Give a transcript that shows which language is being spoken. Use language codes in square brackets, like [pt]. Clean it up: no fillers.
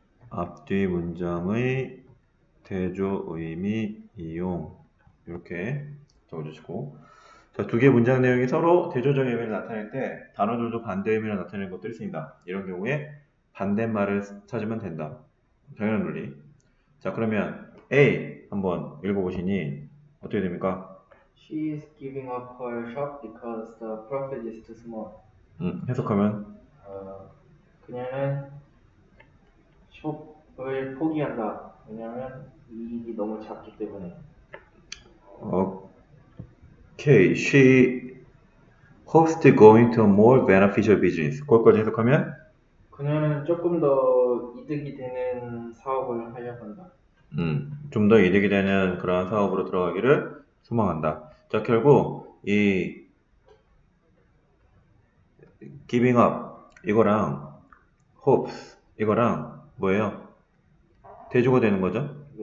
[ko] 앞뒤 문장의 대조 의미 이용 이렇게 적어주시고, 자, 두개 문장 내용이 서로 대조적 의미를 나타낼 때 단어들도 반대 의미를 나타내는 것도 있습니다. 이런 경우에 반대말을 찾으면 된다. 당연한 논리. 자, 그러면 A 한번 읽어보시니 어떻게 됩니까? [en] She is giving up her shop because the profit is too small. [ko] 해석하면 그녀는 숍을 포기한다. 왜냐하면 이익이 너무 작기 때문에. [en] Okay, she hopes to go into a more beneficial business. [ko] 거기까지 해석하면? 그녀는 조금 더 이득이 되는 사업을 하려고 한다. 좀더 이득이 되는 그런 사업으로 들어가기를 소망한다. 자, 결국 이 giving up 이거랑 hopes 이거랑 뭐예요? 대조가 되는 거죠?